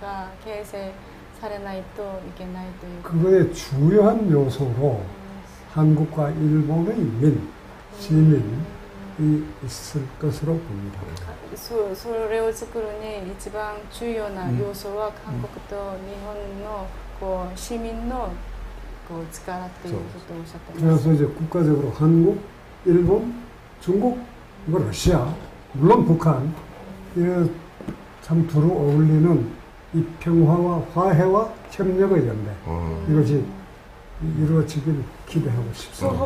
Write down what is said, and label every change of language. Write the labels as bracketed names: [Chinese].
[Japanese] それを弱す共通の力が形成されないといけないという。 [Korean] 그거의 중요한 요소로 한국과 일본의 민, 시민이 있을 것으로 봅니다. [Japanese] それを作るに一番重要な要素は韓国と日本の市民の力ということをおっしゃっています。 [Korean] 그래서 이제 국가적으로 한국, 일본, 중국, 러시아, 물론 북한, 이 참 두루 어울리는 이 평화와 화해와 협력의 연대, 이것이 이루어지기를 기대하고 싶습니다.